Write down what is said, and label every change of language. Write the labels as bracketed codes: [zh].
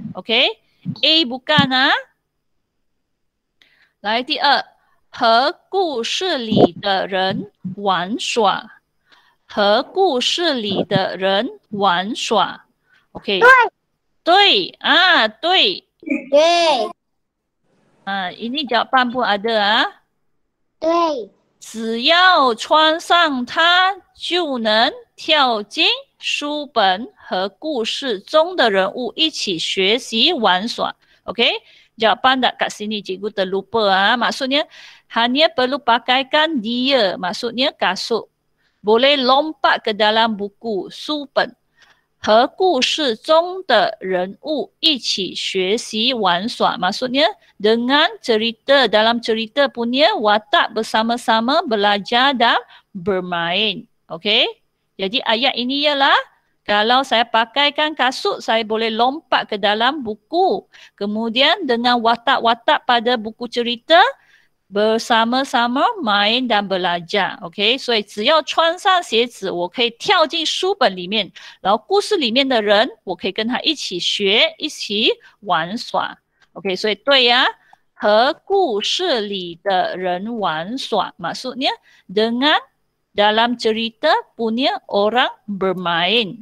[ms] OK， A bukan 啊。 [zh] 来，第二，和故事里的人玩耍，和故事里的人玩耍 ，OK，对，对啊，对，对， [ms] 啊，ini jawapan pun ada啊， [zh] 对，只要穿上它就能跳进书本和故事中的人物一起学习玩耍 ，OK。 [ms] Jawapan tak kat sini cikgu terlupa ha? Maksudnya hanya perlu pakaikan dia, maksudnya kasut. Boleh lompat ke dalam buku, [zh] 书本和故事中的人物一起学习玩耍， [ms] maksudnya dengan cerita, dalam cerita punya watak bersama-sama belajar dan bermain. Okay? Jadi ayat ini ialah,kalau saya pakaikan kasut, saya boleh lompat ke dalam buku. Kemudian dengan watak-watak pada buku cerita, bersama-sama main dan belajar. [zh] Okay, 所以只要穿上鞋子，我可以跳进书本里面，然后故事里面的人，我可以跟他一起学，一起玩耍。 Okay, 所以对呀，和故事里的人玩耍， [ms] maksudnya dengan dalam cerita punya orang bermain.